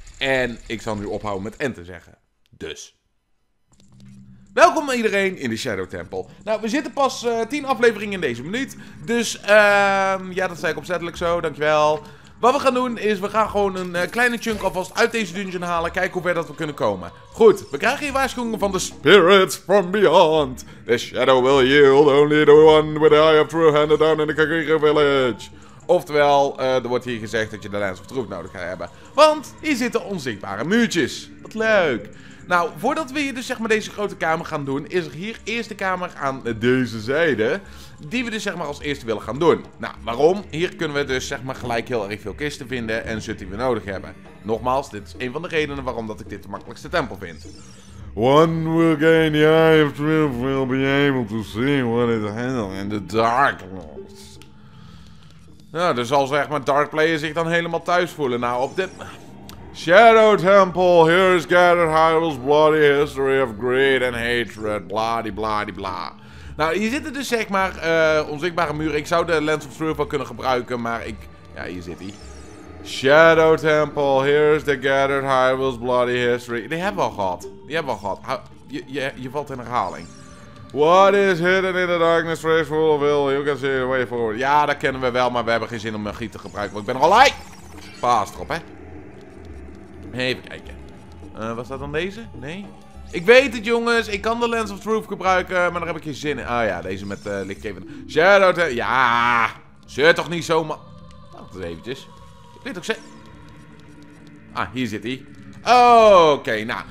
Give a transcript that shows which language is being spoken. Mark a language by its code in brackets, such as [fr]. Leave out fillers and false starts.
[nl] En ik zal nu ophouden met en te zeggen. Dus. Welkom iedereen in de Shadow Temple. Nou, we zitten pas 10 afleveringen in deze minuut. Dus, ja, dat zei ik opzettelijk zo. Dankjewel. Wat we gaan doen is, we gaan gewoon een kleine chunk alvast uit deze dungeon halen. Kijken hoe ver dat we kunnen komen. Goed, we krijgen hier waarschuwingen van de [en] spirits from beyond. The shadow will yield only the one with the eye of truth handed down in the Kakariko Village. [nl] Oftewel, er wordt hier gezegd dat je de Lens of Truth nodig gaat hebben. Want hier zitten onzichtbare muurtjes. Wat leuk. Nou, voordat we hier dus zeg maar deze grote kamer gaan doen, is er hier eerst de kamer aan deze zijde. Die we dus zeg maar als eerste willen gaan doen. Nou, waarom? Hier kunnen we dus zeg maar gelijk heel erg veel kisten vinden en shit die we nodig hebben. Nogmaals, dit is een van de redenen waarom dat ik dit de makkelijkste tempel vind. [en] One will gain the eye of truth will be able to see what is hell in the darkness. [nl] Nou, dus zal zeg maar Dark Player zich dan helemaal thuis voelen. Nou, op dit... [en] Shadow Temple, here is gathered Hyrule's bloody history of greed and hatred, bla-di-bla-di-bla. [nl] Nou, hier zitten dus zeg maar onzichtbare muren. Ik zou de Lens of Truth wel kunnen gebruiken, maar ik... Ja, hier zit hij. [en] Shadow Temple, here is the gathered Hyrule's bloody history. [nl] Die hebben we al gehad. Die hebben we al gehad. Je valt in herhaling. [en] What is hidden in the darkness, race full of ill? You can see the way forward. [nl] Ja, dat kennen we wel, maar we hebben geen zin om magie te gebruiken, want ik ben er al lijk. Pas erop, hè. Even kijken. Was dat dan deze? Nee? Ik weet het, jongens. Ik kan de Lens of Truth gebruiken, maar daar heb ik geen zin in. Ah ja, deze met Lick Kevin. Shadow Temple. Ja! Zeur toch niet zomaar. Wacht eens eventjes. Ik weet ook ze. Ah, hier zit hij. Oké, nou.